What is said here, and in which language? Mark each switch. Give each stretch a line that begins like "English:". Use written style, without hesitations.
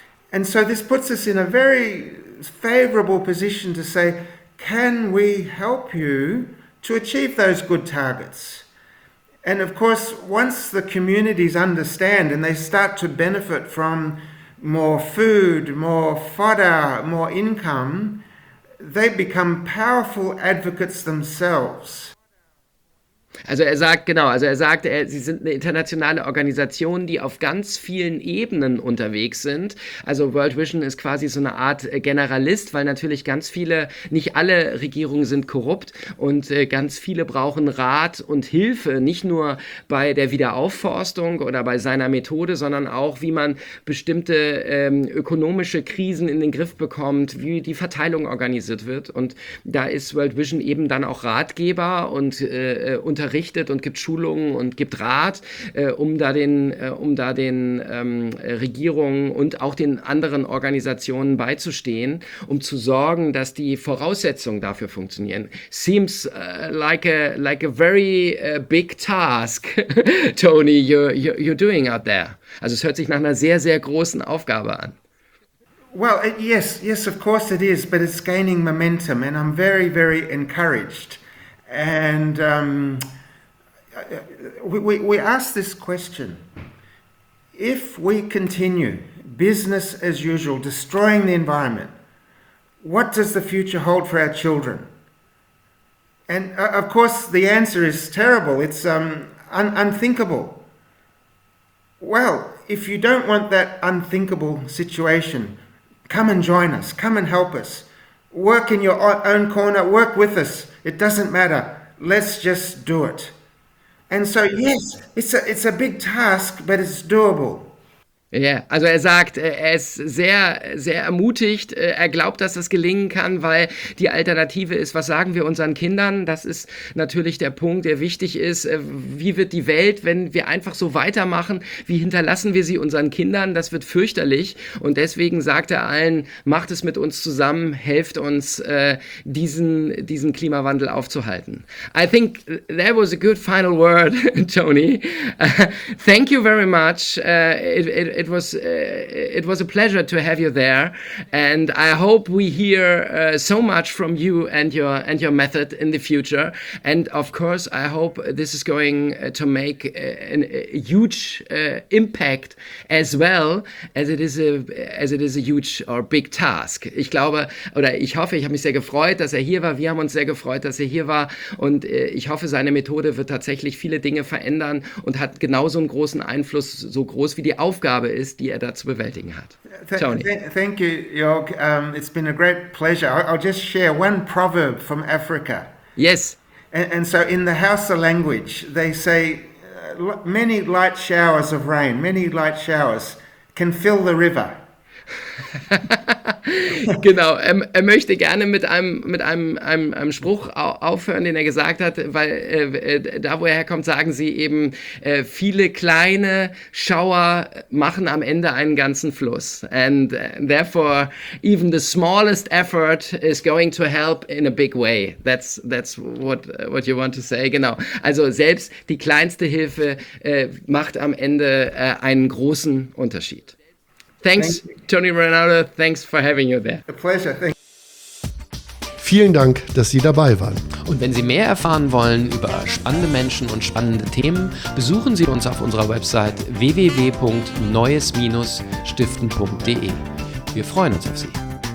English: And so this puts us in a very favorable position to say, can we help you to achieve those good targets? And of course, once the communities understand and they start to benefit from more food, more fodder, more income, they become powerful advocates themselves.
German: Also er sagt, genau, also er sagt, sie sind eine internationale Organisation, die auf ganz vielen Ebenen unterwegs sind. Also World Vision ist quasi so eine Art Generalist, weil natürlich ganz viele, nicht alle Regierungen sind korrupt und ganz viele brauchen Rat und Hilfe, nicht nur bei der Wiederaufforstung oder bei seiner Methode, sondern auch, wie man bestimmte ökonomische Krisen in den Griff bekommt, wie die Verteilung organisiert wird. Und da ist World Vision eben dann auch Ratgeber und unterrichtet und gibt Schulungen und gibt Rat, um da den Regierungen und auch den anderen Organisationen beizustehen, um zu sorgen, dass die Voraussetzungen dafür funktionieren.
English: Seems like a very big task, Tony, you're doing out there.
German: Also es hört sich nach einer sehr, sehr großen Aufgabe an.
English: Well, yes, of course it is, but it's gaining momentum and I'm very, very encouraged. And we ask this question: if we continue business as usual, destroying the environment, what does the future hold for our children? And of course, the answer is terrible. It's unthinkable. Well, if you don't want that unthinkable situation, come and join us. Come and help us. Work in your own corner. Work with us. It doesn't matter. Let's just do it. And so, yes, it's a big task, but it's doable.
German: Ja, also er sagt, er ist sehr, sehr ermutigt. Er glaubt, dass das gelingen kann, weil die Alternative ist, was sagen wir unseren Kindern? Das ist natürlich der Punkt, der wichtig ist. Wie wird die Welt, wenn wir einfach so weitermachen? Wie hinterlassen wir sie unseren Kindern? Das wird fürchterlich. Und deswegen sagt er allen, macht es mit uns zusammen, helft uns, diesen Klimawandel aufzuhalten.
English: I think that was a good final word, Tony. Thank you very much. It was a pleasure to have you there, and I hope we hear so much from you and your method in the future. And of course, I hope this is going to make a huge impact as well as it is a huge or big task.
German: Ich glaube oder ich hoffe, ich habe mich sehr gefreut, dass er hier war. Wir haben uns sehr gefreut, dass er hier war, und ich hoffe, seine Methode wird tatsächlich viele Dinge verändern und hat genauso einen großen Einfluss, so groß wie die Aufgabe ist, die er da zu bewältigen hat. Tony.
English: Thank you, Jörg. It's been a great pleasure. I'll just share one proverb from Africa. Yes. And so in the Hausa language, they say, many light showers of rain, many light showers can fill the river.
German: Genau, er möchte gerne mit einem Spruch aufhören, den er gesagt hat, weil da, wo er herkommt, sagen sie eben, viele kleine Schauer machen am Ende einen ganzen Fluss.
English: And therefore, even the smallest effort is going to help in a big way. That's what you want to say,
German: genau. Also selbst die kleinste Hilfe macht am Ende einen großen Unterschied.
English: Thanks, Tony Ranaldo. Thanks for having you there. A pleasure. Thank
German: Vielen Dank, dass Sie dabei waren. Und wenn Sie mehr erfahren wollen über spannende Menschen und spannende Themen, besuchen Sie uns auf unserer Website www.neues-stiften.de. Wir freuen uns auf Sie.